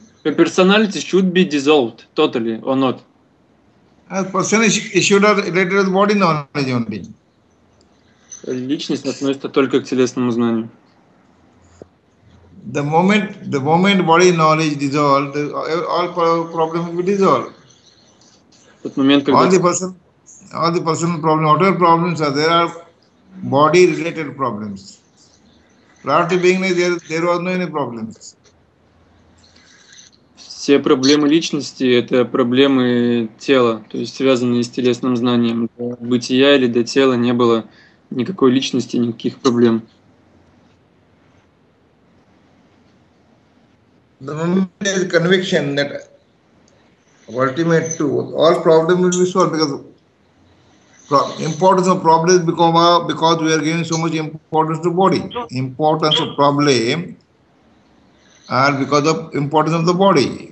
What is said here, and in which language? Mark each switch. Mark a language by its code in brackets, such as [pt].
[en] The personality should be dissolved totally or not. Person is should have related to the body knowledge only. [ru] Личность относится только к телесному знанию. [en] The moment body knowledge dissolved, all problems will be dissolved. [ru] Тот момент, когда... [en] All the personal problems, whatever problems are, there are body-related problems. Prior to being there, there was no any problems. [ru] Все проблемы личности – это проблемы тела, то есть связанные с телесным знанием. До бытия или до тела не было никакой личности, никаких проблем. [en] The moment is conviction that ultimate truth, all problem will be solved because importance of problem become because we are giving so much importance to body. Importance of problem are because of importance of the body.